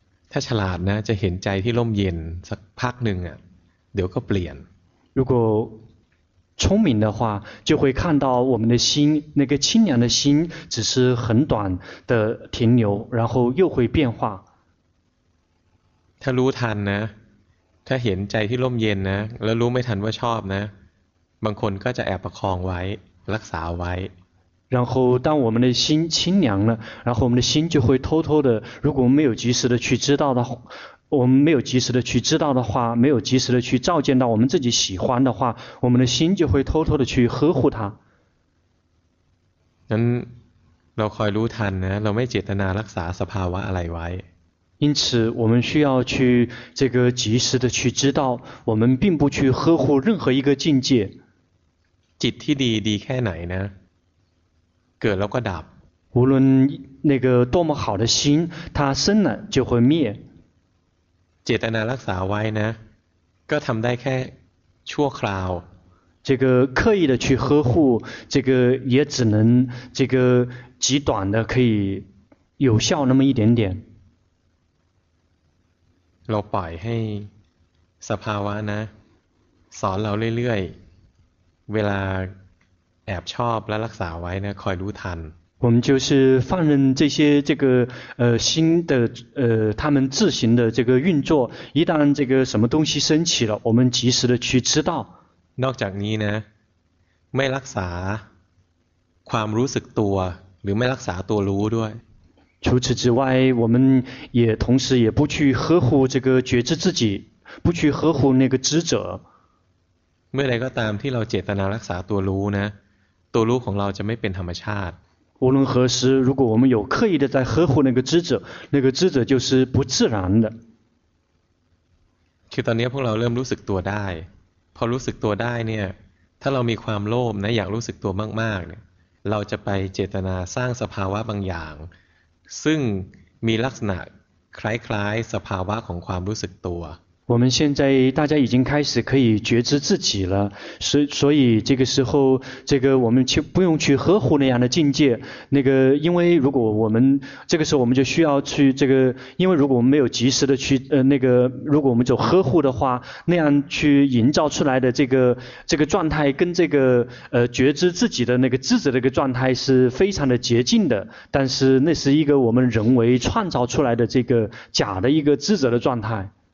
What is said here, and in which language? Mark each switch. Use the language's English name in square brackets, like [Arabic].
[Thai] ถ้าฉลาดนะจะเห็นใจที่ร่มเย็นสักพักหนึ่งอ่ะเดี๋ยวก็เปลี่ยน [Chinese] 如果聪明的话就会看到我们的心那个清凉的心只是很短的停留然后又会变化 [Thai] 他รู้ทันนะถ้าเห็นใจที่ร่มเย็นนะแล้วรู้ไม่ทันว่าชอบนะบางคนก็จะแอบประคองไว้รักษาไว้ [Chinese] 然后当我们的心清凉了然后我们的心就会偷偷的如果没有及时的去知道的我们没有及时的去知道的话没有及时的去照见到我们自己喜欢的话我们的心就会偷偷的去呵护它因此我们需要去这个及时的去知道我们并不去呵护任何一个境界 [Thai] จิตที่ดีดีแค่ไหนนะเกิดแล้วก็ดับ [Chinese] 无论那个多么好的心它生了就会灭 [Thai] เจตนารักษาไว้นะก็ทำได้แค่ชั่วคราว [Chinese] 这个刻意的去呵护这个也只能这个极短的可以有效那么一点点 [Thai] เราปล่อยให้สภาวะนะสอนเราเรื่อยๆเวลาแอบชอบและรักษาไว้นะคอยรู้ทัน [Chinese] 我们就是放任这些这个新的他们自行的这个运作一旦这个什么东西升起了我们及时的去知道 [Thai] นอกจากนี้นะไม่รักษาความรู้สึกตัวหรือไม่รักษาตัวรู้ด้วย [Chinese] 除此之外我们也同时也不去呵护这个觉知自己不去呵护那个知者 [Thai] เมื่อใดก็ตามที่เราเจตนารักษาตัวรู้นะตัวรู้ของเราจะไม่เป็นธรรมชาติ [Chinese] 无论何时如果我们有刻意的在呵护那个知者那个知者就是不自然的 [Thai] คือตอนนี้พวกเราเริ่มรู้สึกตัวได้พอรู้สึกตัวได้เนี่ยถ้าเรามีความโลภนะอยากรู้สึกตัวมากๆเนี่ยเราจะไปเจตนาสร้างสภาวะบางอย่างซึ่งมีลักษณะคล้ายๆสภาวะของความรู้สึกตัว [Chinese] 我们现在大家已经开始可以觉知自己了，所以这个时候，这个我们去不用去呵护那样的境界，那个因为如果我们这个时候我们就需要去这个，因为如果我们没有及时的去那个，如果我们就呵护的话，那样去营造出来的这个状态跟这个觉知自己的那个智者的一个状态是非常的接近的，但是那是一个我们人为创造出来的这个假的一个智者的状态。